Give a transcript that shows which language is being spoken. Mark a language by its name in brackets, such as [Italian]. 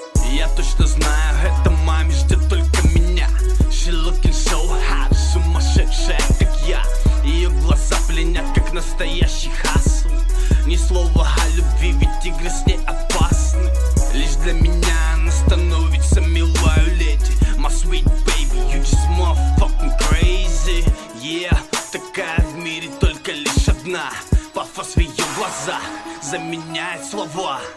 [Russian] я точно знаю, эта маме ждет только меня. [English] She looking so hot, [Russian] сумасшедшая, как я. Ее глаза пленят, как настоящий хасл. Ни слова о любви, ведь игры с ней опасны. Лишь для меня она становится милой леди. [English] My sweet baby, you just motherfucking crazy. [Russian] Yeah, такая в мире только лишь одна. Пафос в ее глаза заменяет слова.